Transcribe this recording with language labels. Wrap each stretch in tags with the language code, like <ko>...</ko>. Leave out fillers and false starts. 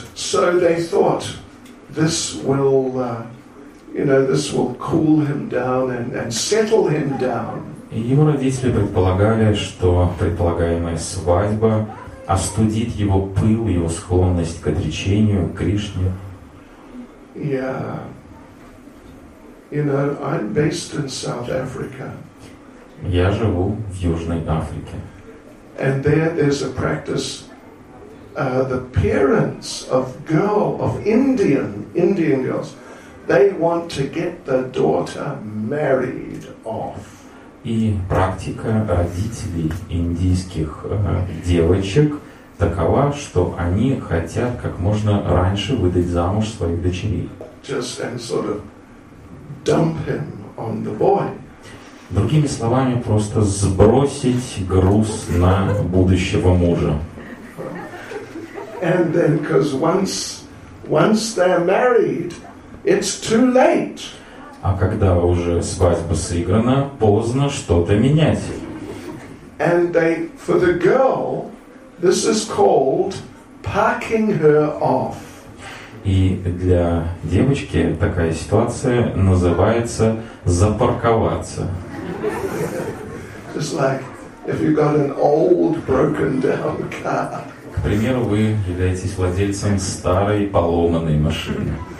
<en>So they thought this will this will cool him down and settle him down.</en> <ru>И его родители предполагали, что предполагаемая свадьба остудит его пыл, его склонность к отречению, к Кришне.</ru> <en>Yeah. I'm based in South Africa.</en> <ru>Я живу в Южной Африке.</ru> <en>And there there's a practice. The parents of girl of Indian girls, they want to get the daughter married off.</en> <ru>И практика родителей индийских девочек такова, что они хотят как можно раньше выдать замуж своих дочерей.</ru> <en>Just and sort of dump him on the boy.</en> <ru>Другими словами, просто сбросить груз на будущего мужа.</ru> <en>And then, because once they're married, it's too late.</en> <ru>А когда уже свадьба сыграна, поздно что-то менять.</ru> <en>And they, for the girl, this is called packing her off.</en> <ru>И для девочки такая ситуация называется запарковаться.</ru> <en>Just like if you got an old broken down car.</en> <ru>К примеру, вы являетесь владельцем старой поломанной машины.</ru>